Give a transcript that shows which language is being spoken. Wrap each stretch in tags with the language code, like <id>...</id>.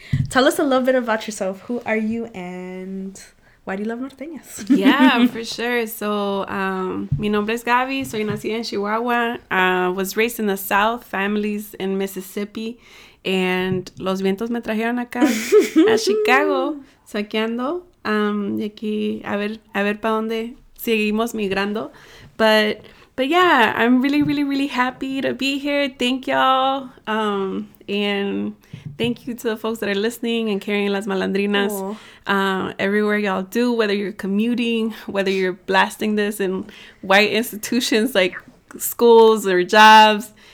<en>Tell us a little bit about yourself. Who are you and why do you love norteñas? Yeah, for sure. So,</en> <es>mi nombre es Gabby. Soy nacida en Chihuahua.</es> <en>Was raised in the South, families in Mississippi.</en> <es>And los vientos me trajeron acá, a Chicago, saqueando. Y aquí, a ver para dónde seguimos migrando.</es> <en>But yeah, I'm really, really, really happy to be here. Thank y'all. And thank you to the folks that are listening and carrying Las Malandrinas. Everywhere y'all do, whether you're commuting, whether you're blasting this in white institutions like schools or jobs.</en>